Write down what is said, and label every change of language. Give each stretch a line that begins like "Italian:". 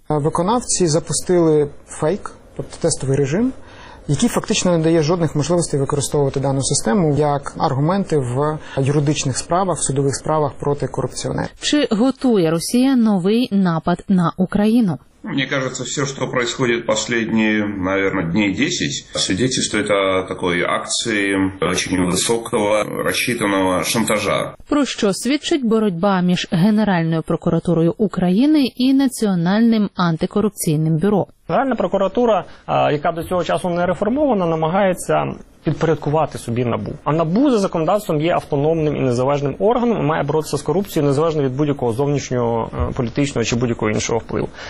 Ukrainian: Виконавці запустили фейк, тобто тестовий режим, який фактично не дає жодних можливостей використовувати дану систему як аргументи в юридичних справах, в судових справах проти корупціонерів. Чи готує Росія новий напад на Україну?
Russian: Мне кажется, все, что происходит последние, наверное, дней 10, свидетельствует о такой акции очень высокого рассчитанного шантажа.
Ukrainian: Про що свідчить боротьба між Генеральною прокуратурою України і Національним антикорупційним бюро? Генеральна прокуратура, яка до цього часу не реформована, намагається підпорядкувати собі НАБУ. А НАБУ за законодавством є автономним і незалежним органом, має боротися з корупцією незалежно від будь-якого зовнішнього політичного чи будь-якого іншого впливу.